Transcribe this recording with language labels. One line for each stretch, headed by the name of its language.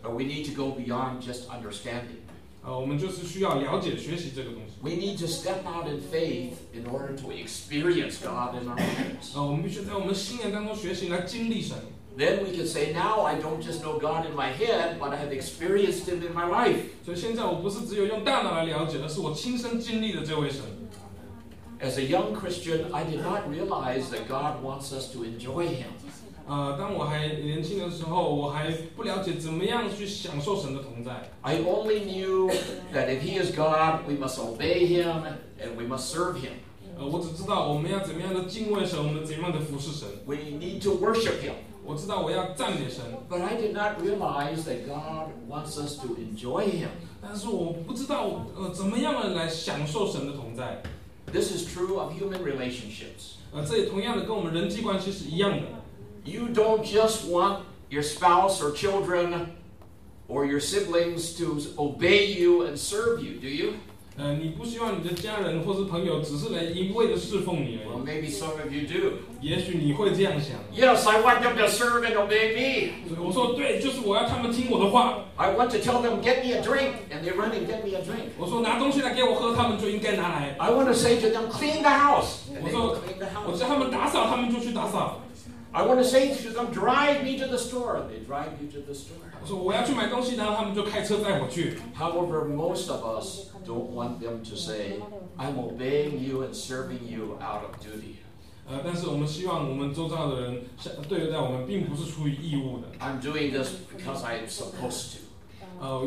English: But we need to go beyond just understanding.
Chinese: 我们就是需要了解学习这个东西。
English: We need to step out in faith in order to experience God in our lives.
Chinese: 我们必须在我们心眼当中学习来经历神。
English: Then we can say, now I don't just know God in my head, but I have experienced Him in my life.
Chinese: 所以现在我不是只有用大脑来了解，而是我亲身经历的这位神。
English: As a young Christian, I did not realize that God wants us to enjoy Him.
Chinese: 当我还年轻的时候，我还不了解怎么样去享受神的同在。
English: I only knew that if He is God, we must obey Him and we must serve Him.
Chinese: 我只知道我们要怎么样的敬畏神，我们怎么样的服侍神。
English: We need to worship Him.
Chinese: 我知道我要赞美神。
English: But I did not realize that God wants us to enjoy Him.
Chinese: 但是我不知道怎么样来享受神的同在。
English: This is true of human relationships.
Chinese: 这也同样的跟我们人际关系是一样的。
English: You don't just want your spouse or children or your siblings to obey you and serve you, do you?
Chinese: 你不希望你的家人或是朋友只是来一味的侍奉你而已。
English: Well, maybe some of you do.
Chinese: 也许你会这样想。
English: Yes, I want them to serve and obey me.
Chinese: 我说对，就是我要他们听我的话。
English: I want to tell them, get me a drink, and they run and get me a drink.
Chinese: 我说拿东西来给我喝，他们就应该拿来。
English: I want to say to them, clean the house.
Chinese: 我说，我叫他们打扫，他们就去打扫。
English: I want to say to them, drive me to the store. They drive you to the store.
Chinese: 我说我要去买东西，然后他们就开车带我去。
English: However, most of us don't want them to say, I'm obeying you and serving you out of duty.
Chinese: 但是我们希望我们周遭的人对待我们并不是出于义务的。
English: I'm doing this because I'm supposed to.